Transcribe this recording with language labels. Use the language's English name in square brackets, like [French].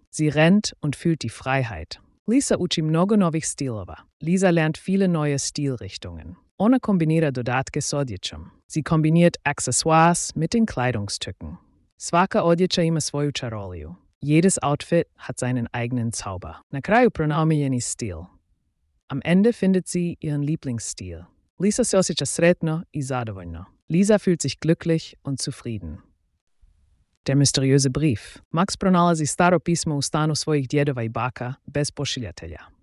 [German] Sie rennt und fühlt die Freiheit. [Croatian] Lisa uči mnogo novih stilova. [German] Lisa lernt viele neue Stilrichtungen. [Croatian] Ona kombinira dodatke s odjećom. [German] Sie kombiniert Accessoires mit den Kleidungstücken. [Croatian] Svaka odjeća ima svoju čaroliju. [German] Jedes Outfit hat seinen eigenen Zauber. [Croatian] Na kraju pronomijeni stil. [German] Am Ende findet sie ihren Lieblingsstil. [Croatian] Lisa se osjeća sretno i zadovoljno. [German] Lisa fühlt sich glücklich und zufrieden. Der mysteriöse Brief. [Croatian] Max pronalazi staro pismo u stanu svojih djedova i baka bez pošiljatelja.